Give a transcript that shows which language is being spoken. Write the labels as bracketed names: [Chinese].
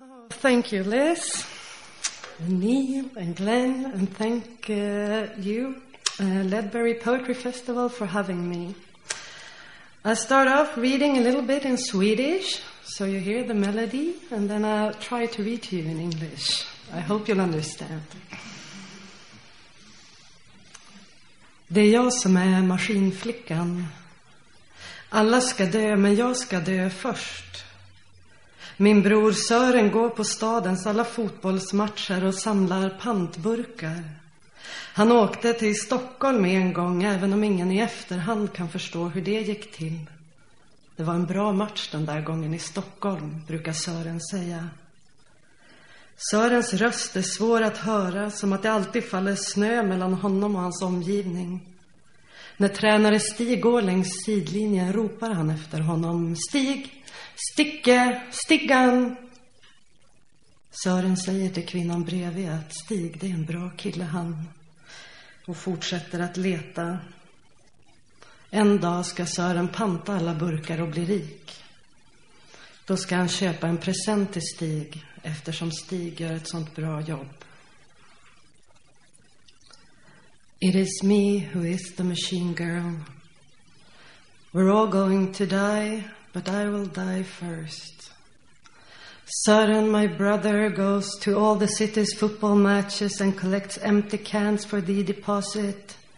[English] Thank you, Liz, and Neil, and Glenn, and thank you, Ledbury Poetry Festival, for having me. I start off reading a little bit in Swedish, so you hear the melody, and then I'll try to read to you in English. I hope you'll understand. [Swedish] Det är jag som är maskinflickan. Alla ska dö, men jag ska dö först. Min bror Sören går på stadens alla fotbollsmatcher och samlar pantburkar. Han åkte till Stockholm en gång, även om ingen i efterhand kan förstå hur det gick till. Det var en bra match den där gången i Stockholm, brukar Sören säga. Sörens röst är svår att höra, som att det alltid faller snö mellan honom och hans omgivning. När tränare Stig går längs sidlinjen ropar han efter honom: "Stig! Sticke! Stiggan!" Sören säger till kvinnan bredvid att Stig, det är en bra kille han, och fortsätter att leta. En dag ska Sören panta alla burkar och bli rik. Då ska han köpa en present till Stig, eftersom Stig gör ett sånt bra jobb. [English] It is me who is the machine girl. We're all going to die, but I will die first. Sören, my brother, goes to all the city's football matches and collects empty cans for the deposit.